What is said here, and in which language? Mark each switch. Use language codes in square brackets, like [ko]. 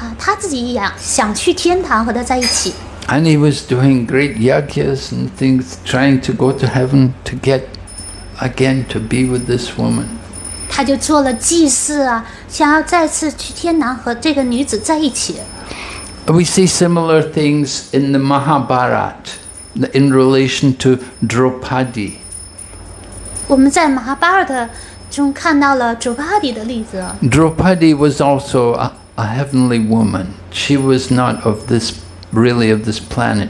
[zh] 所以国王呢，就是一心一意的念念不忘她，他自己也想去天堂和她在一起。 [en] And he was doing great yajnas and things, trying to go to heaven to get again to be with this woman. [zh] 他就做了祭祀啊，想要再次去天堂和这个女子在一起。 [en] We see similar things in the Mahabharata in relation to Draupadi. [zh] 我们在马哈巴尔特中看到了卓帕迪的例子。Draupadi [en] was also a heavenly woman. She was not of this, really of this planet.